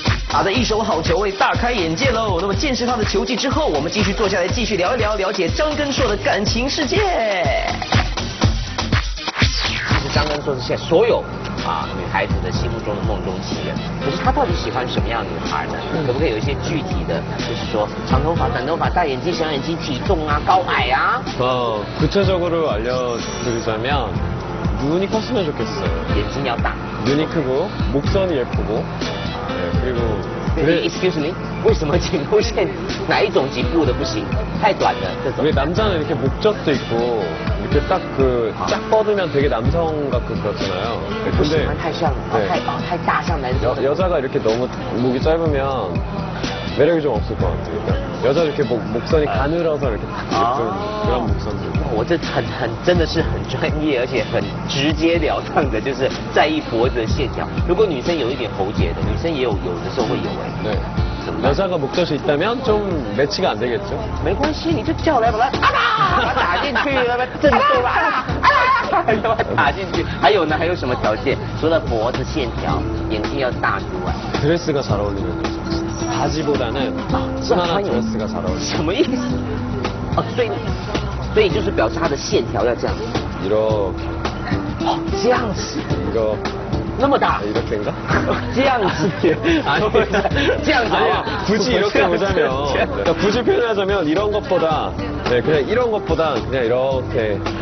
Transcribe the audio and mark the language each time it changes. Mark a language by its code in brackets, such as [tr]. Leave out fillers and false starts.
[zh] 打的一手好球，为大开眼界喽！那么见识他的球技之后，我们继续坐下来继续聊一聊，了解张根硕的感情世界。其实张根硕是现在所有啊女孩子的心目中的梦中情人，可是他到底喜欢什么样的女孩呢？可不可以有一些具体的，就是说长头发、短头发、大眼睛、小眼睛、体重啊、高矮啊？ [ko] 구체적으로알려드리자면눈이컸으면좋겠어요 [zh] 眼睛要大， [ko] 눈이크고목선이예쁘고그리고 [en] excuse me [zh] 为什么颈部线哪一种颈部的不行太短了这种 [ko] 왜남자는이렇게목젖도있고이렇게딱그쫙뻗으면되게남성같은것같잖아요 근데 [zh] 太像、네、太大像男生 [ko] 여자가이렇게너무목이짧으면매력이좀없을것같아요여자이렇게 목선이가늘어서이렇게딱예쁜그런목선들 [zh] 我这很真的是很专业，而且很直接了当的，就是在意脖子的线条。如果女生有一点喉结的，女生也有的时候会有哎。对，男生的 [ko] 목젖이있다면좀매치가안되겠죠 [zh] 没关系，你就叫来把它啊吧，把它打进去，把它震动吧，把它打进去。还有呢？还有什么条件？除了脖子线条，眼睛要大之外， [ko] 드레스가잘어울리는것바지보다는치마나드레스가잘어울리 [zh] 什么意思？哦，所以。所以就是表示它的线条要这样 [ko] 이렇게 [zh] 哦这样子 [ko] 이거 [zh] 那么大 [ko] 이렇게인가 [zh] 这样子 [ko] 아니 [zh] 这样子 [ko] 아니야 굳이이렇게보자면굳이표현하자면이런것보다네그냥이런것보다그냥이렇게